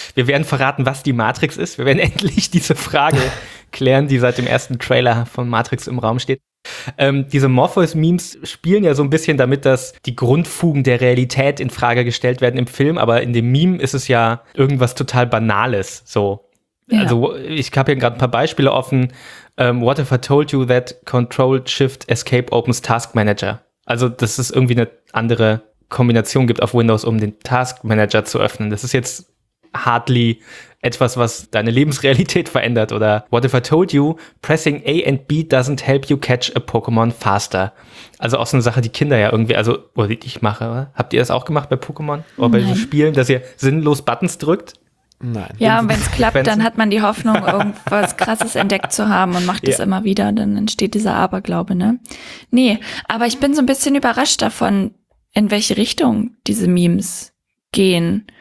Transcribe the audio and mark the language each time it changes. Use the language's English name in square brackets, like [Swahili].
[German] Wir werden verraten, was die Matrix ist. Wir werden endlich diese Frage klären, die seit dem ersten Trailer von Matrix im Raum steht. Diese Morpheus-Memes spielen ja so ein bisschen damit, dass die Grundfugen der Realität in Frage gestellt werden im Film. Aber in dem Meme ist es ja irgendwas total Banales, so. Ja. Also ich habe hier gerade ein paar Beispiele offen. [English] What if I told you that Control-Shift-Escape opens Task Manager? [German] Also, dass es irgendwie eine andere Kombination gibt auf Windows, um den Task Manager zu öffnen. Das ist jetzt hardly etwas, was deine Lebensrealität verändert. [English] Oder what if I told you, pressing A and B doesn't help you catch a Pokémon faster? [German] Also auch so eine Sache, die Kinder ja irgendwie, also, oder ich mache, oder? Habt ihr das auch gemacht bei Pokémon? Oder bei diesen Spielen, dass ihr sinnlos Buttons drückt? Nein. Ja, und wenn es klappt, dann hat man die Hoffnung, irgendwas Krasses entdeckt zu haben und macht das immer wieder. Dann entsteht dieser Aberglaube, ne? Nee, aber ich bin so ein bisschen überrascht davon, in welche Richtung diese Memes gehen.